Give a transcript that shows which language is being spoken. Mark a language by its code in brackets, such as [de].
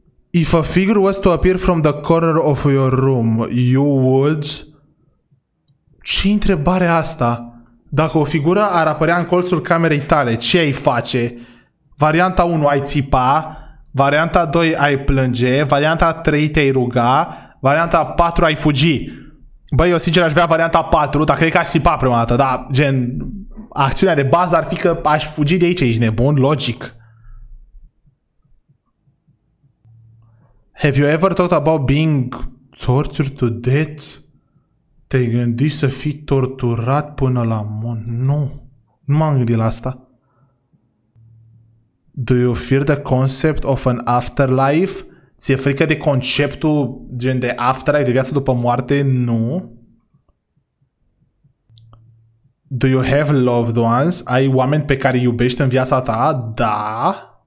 [en] If a figure was to appear from the corner of your room, you would... [ro] Ce întrebare asta? Dacă o figură ar apărea în colțul camerei tale, ce ai face? Varianta 1, ai țipa. Varianta 2, ai plânge. Varianta 3, te-ai ruga. Varianta 4, ai fugi. Băi, eu sincer aș vrea varianta 4, dar cred că aș țipa prima dată, dar gen... Acțiunea de bază ar fi că aș fugi de aici, ești nebun, logic. [en] Have you ever thought about being tortured to death? [ro] Te-ai gândit să fii torturat până la mon? Nu. Nu m-am gândit la asta. [en] Do you fear the concept of an afterlife? [ro] Ți-e frică de conceptul gen de afterlife, de viață după moarte? Nu. [en] Do you have loved ones? [ro] Ai oameni pe care iubești în viața ta? Da.